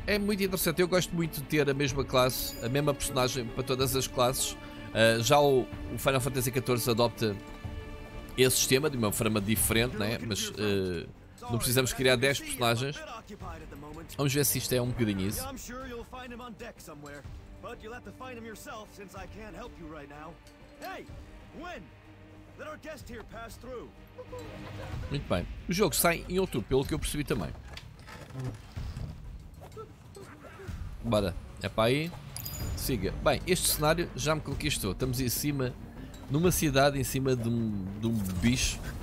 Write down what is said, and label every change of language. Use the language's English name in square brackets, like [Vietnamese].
[Portuguese] É muito interessante, eu gosto muito de ter a mesma classe, a mesma personagem para todas as classes. Já o Final Fantasy XIV adopta esse sistema de uma forma diferente, né? Mas não precisamos criar 10 personagens. Vamos ver se isto é um bocadinho isso. [English] I'm sure you'll find him on deck somewhere, but you'll have to find him yourself since I can't help you right now. Hey, Gwen, let our guest here pass through. [Portuguese] Muito bem. O jogo sai em outubro, pelo que eu percebi também. Bora, é para aí. Siga. Bem, este cenário já me conquistou. Estamos em cima, numa cidade, em cima de um bicho.